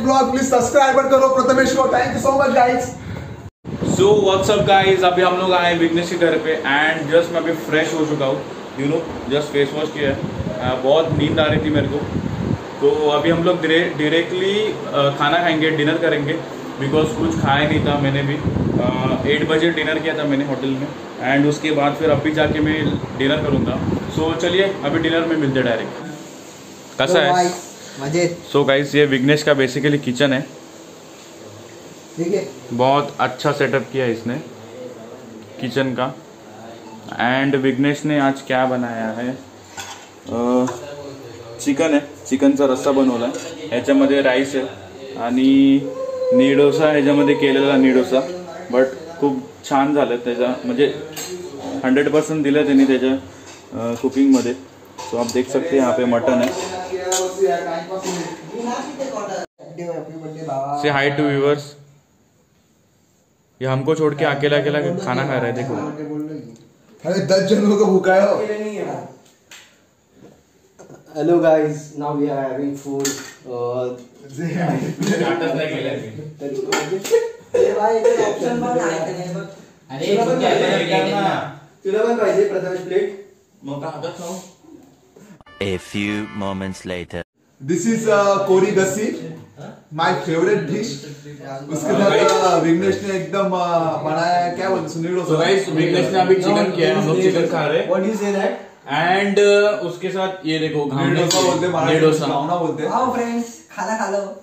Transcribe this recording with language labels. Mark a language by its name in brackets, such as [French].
[English] Please subscribe [Hindi] करो प्रथमेश को, [English] thank you so much guys. So what's up guys, [Hindi] अभी हम लोग आए विघ्नेश के घर पे एंड जस्ट मैं अभी फ्रेश हो चुका हूँ, [English] you know [Hindi] just face wash किया है, बहुत नींद आ रही थी मेरे को, तो अभी हम लोग डायरेक्टली खाना खाएंगे, डिनर करेंगे, बिकॉज कुछ खाया नहीं था मैंने भी। 8 बजे डिनर किया था मैंने होटल में एंड उसके बाद फिर अभी जाके मैं डिनर करूँगा। सो चलिए अभी डिनर में मिलते डायरेक्ट। कैसा है? मजे। सो गाइस ये विघ्नेश का बेसिकली किचन है, ठीक है, बहुत अच्छा सेटअप किया है इसने किचन का। एंड विघ्नेश ने आज क्या बनाया है, चिकन है, [Marathi] चिकन चा रस्सा बनवला है, ह्याच्यामध्ये राईस है आणि निडोसा, ह्याच्यामध्ये केलेला निडोसा, बट खूप छान झालं त्याचा, म्हणजे 100% दिलं त्यांनी त्याच्या कुकिंगमध्ये। [Hindi] सो आप देख सकते यहाँ पे मटन है। [English] say hi to viewers, [Hindi] ये हमको छोड़ के अकेला अकेला खाना खा रहे, देखो 10 जनों का भूखा है। [English] Hello guys, now we are having food. A few moments later. This is Kori Gassi, my favorite dish. [Hindi] उसके बाद विघ्नेश ने एकदम बनाया, क्या बोलते सुनील, तो गाइस विघ्नेश ने अभी चिकन किया है, हम लोग चिकन खा रहे हैं। [English] What do you say that? And [Hindi] उसके साथ ये देखो घावना बोलते हैं, घावना बोलते हैं। [English] Hello friends, खाला खालो।